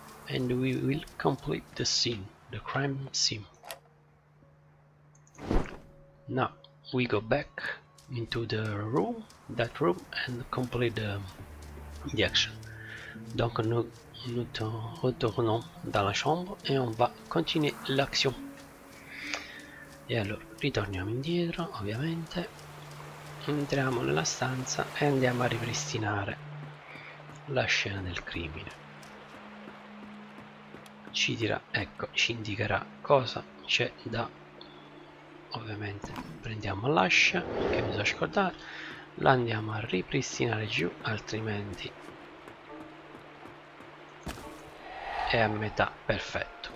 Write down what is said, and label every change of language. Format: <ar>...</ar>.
<en>And we will complete the scene, the crime scene. Now we go back into the room, that room, and complete the action.</en> <fr>Donc nous retournons dans la chambre et on va continuer l'action.</fr> <it>E allora ritorniamo indietro, ovviamente. Entriamo nella stanza e andiamo a ripristinare la scena del crimine. Ci dirà, ecco, ci indicherà cosa c'è da, ovviamente prendiamo l'ascia che mi sono scordato, la andiamo a ripristinare giù, altrimenti è a metà, perfetto.</it>